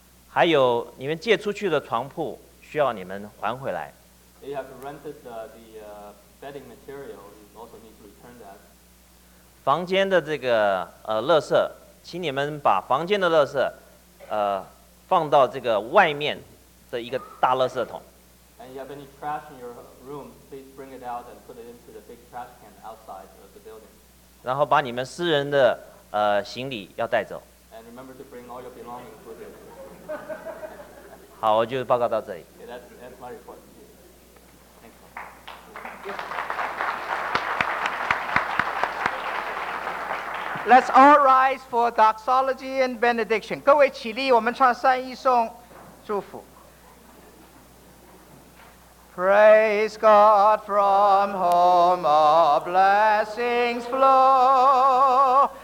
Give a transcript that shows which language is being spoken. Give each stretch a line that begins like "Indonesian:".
Chinese: 还有你们借出去的床铺需要你们还回来。
English: They have rented the bedding material. You also need to return that.
Chinese: 房间的这个垃圾，请你们把房间的垃圾放到这个外面的一个大垃圾桶。
English: And you have any trash in your room, please bring it out and put it into the big trash can outside of the building.
Chinese: 然后把你们私人的行李要带走。
English: And remember to bring all your belongings with you.
Chinese: 好，我就报告到这里。
English: Okay, that's my report. Thank you. Let's all rise for doxology and benediction.
Chinese: 各位起立，我们唱三一颂祝福。
English: Praise God from whom all blessings flow.